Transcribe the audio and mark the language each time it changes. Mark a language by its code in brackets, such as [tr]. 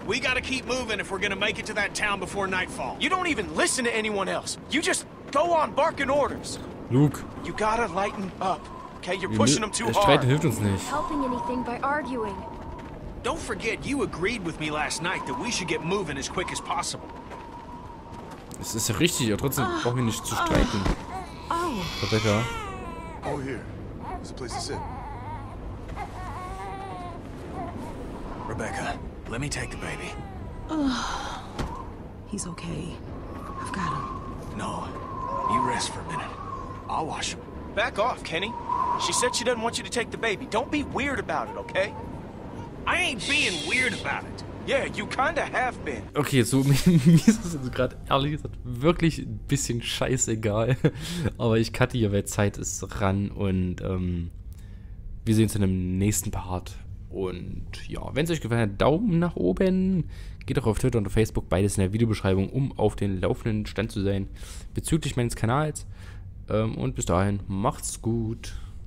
[en] We gotta keep moving if we're gonna make it to that town before nightfall. You don't even listen to anyone else. You just go on barking orders. Luke. You gotta lighten up. Okay, you're pushing them too hard. [de] Streit hilft uns nicht. [en] Helping anything by arguing. Don't forget, you agreed with me last night that we should get moving as quick as possible. [de] Es ist richtig, aber trotzdem brauchen wir nicht zu streiten. [en] Rebecca. Oh, here. There's a place to sit. Rebecca, let me take the baby. He's okay. I've got him. No, you rest for a minute. I'll wash him. Back off, Kenny. She said she doesn't want you to take the baby. Don't be weird about it, okay? I ain't being weird about it. Yeah, you kinda have been. Okay, so [de] mir ist es jetzt gerade ehrlich gesagt wirklich ein bisschen scheißegal. Aber ich cutte hier, weil Zeit ist ran und wir sehen uns in dem nächsten Part. Und ja, wenn es euch gefallen hat, Daumen nach oben. Geht auch auf Twitter und auf Facebook, beides in der Videobeschreibung, um auf den laufenden Stand zu sein bezüglich meines Kanals. Und bis dahin, macht's gut.